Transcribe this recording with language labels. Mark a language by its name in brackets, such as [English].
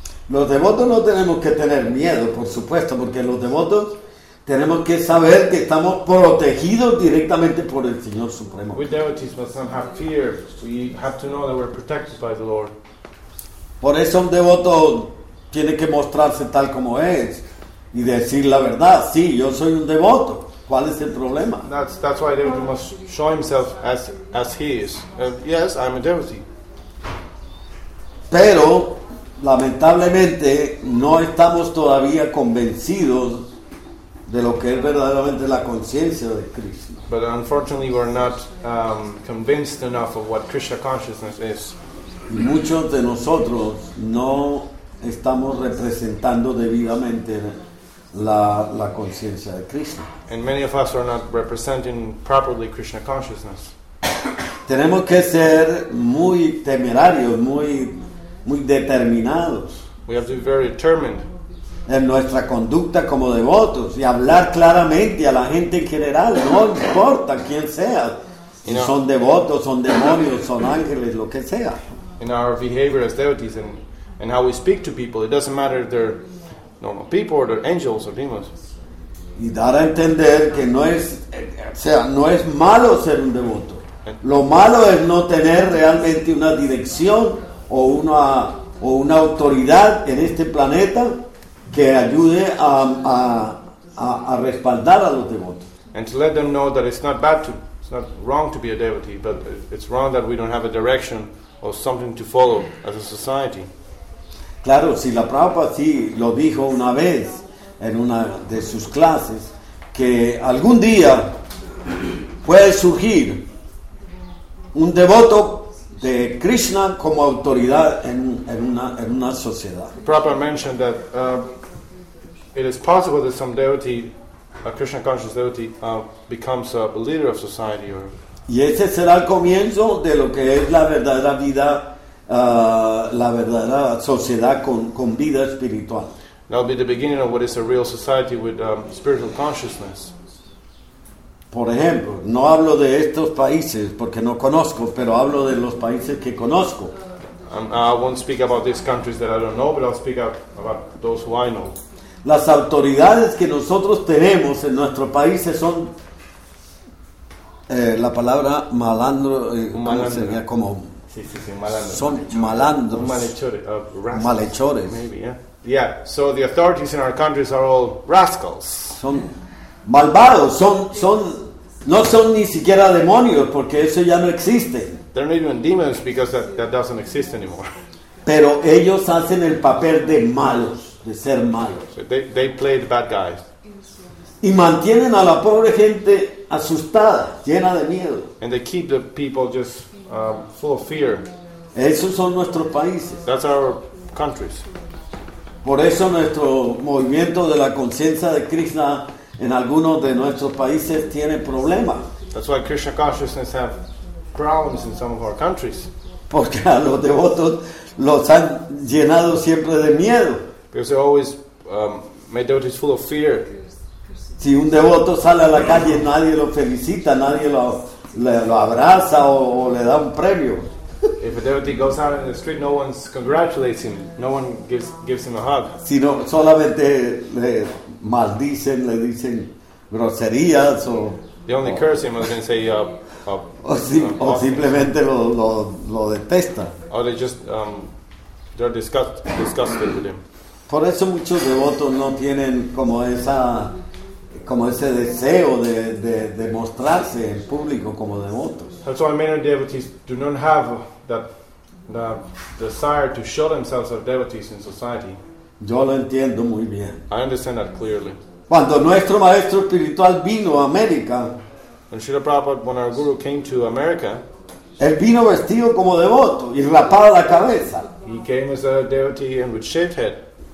[Spanish] Los devotos no tenemos que tener miedo, por supuesto, porque los devotos tenemos que saber que estamos protegidos directamente por el Señor Supremo. [English] We devotees must not have fear. We have to know that we're protected by the Lord. [Spanish] Por eso un devoto tiene que mostrarse tal como es y decir la verdad. Sí, yo soy un devoto. ¿Cuál es el problema? [English] That's why a devotee must show himself as he is. Yes, I'm a devotee. [Spanish] Pero, lamentablemente, no estamos todavía convencidos de lo que es verdaderamente la conciencia de Krishna. [English] But unfortunately we're not convinced enough of what Krishna consciousness is. [Spanish] Muchos de nosotros no estamos representando debidamente la conciencia de Krishna. [English] And many of us are not representing properly Krishna consciousness. [Spanish] Tenemos que ser muy temerarios, muy determinados. [English] We have to be very determined. [Spanish] en nuestra conducta como devotos y hablar claramente a la gente en general, no importa quién sea, si son devotos, son demonios, son ángeles, lo que sea. [English] In our behavior as devotees and how we speak to people, it doesn't matter if they're normal people or they're angels or demons. [Spanish] Y dar a entender que no es, o sea, no es malo ser un devoto. Lo malo es no tener realmente una dirección o una autoridad en este planeta que ayude a respaldar a los devotos. [English] And to let them know that it's not bad to, it's not wrong to be a devotee, but it's wrong that we don't have a direction or something to follow as a society. [Spanish] Claro, si la Prabhupada sí lo dijo una vez en una de sus clases, que algún día puede surgir un devoto de Krishna como autoridad en una sociedad. [English] Prabhupada mentioned that it is possible that some devotee, a Krishna conscious devotee, becomes a leader of society. Or... [Spanish] Y ese será el comienzo de lo que es la verdadera vida, la verdadera sociedad con vida espiritual. [English] That'll be the beginning of what is a real society with spiritual consciousness. [Spanish] Por ejemplo, no hablo de estos países porque no conozco, pero hablo de los países que conozco. [English] I won't speak about these countries that I don't know, but I'll speak about those who I know. [Spanish] Las autoridades que nosotros tenemos en nuestros países son la palabra malandro, ¿cómo sería? Como sí, malandro. Son malandros. [English] Malhechores. Maybe, yeah. Yeah, so the authorities in our countries are all rascals. [Spanish] Son malvados, son no son ni siquiera demonios porque eso ya no existe. [English] They're not even demons because that doesn't exist anymore. [Spanish] Pero ellos hacen el papel de malos, de ser malos. [English] So they play the bad guys. [Spanish] Y mantienen a la pobre gente asustada, llena de miedo. [English] And they keep the people just full of fear. [Spanish] Esos son nuestros países. [English] That's our countries. [Spanish] Por eso nuestro movimiento de la conciencia de Krishna en algunos de nuestros países tiene problemas. [English] That's why Krishna consciousness have problems in some of our countries. [Spanish] Porque a los devotos los han llenado siempre de miedo. [English] Because they always made devotees full of fear. [Spanish] Si un devoto sale a la calle, nadie lo felicita, nadie lo abraza o le da un premio. [English] If a devotee goes out in the street, no one congratulates him. No one gives him a hug. [Spanish] Sino solamente le maldicen, le dicen groserías o... [English] They only curse him, I was going to say... [Spanish] O simplemente lo detesta. [English] Or they just... they're disgusted with him. [Spanish] Por eso muchos devotos no tienen como esa... como ese deseo de mostrarse en público como devotos. [English] That's why many devotees do not have the desire to show themselves as devotees in society. [Spanish] Yo lo entiendo muy bien. [English] I understand that clearly. [Spanish] Cuando nuestro maestro espiritual vino a América, [English] when Srila Prabhupada, when our guru came to America, [Spanish] él vino vestido como devoto y rapado la cabeza. [English] He came as a devotee and with shaved head.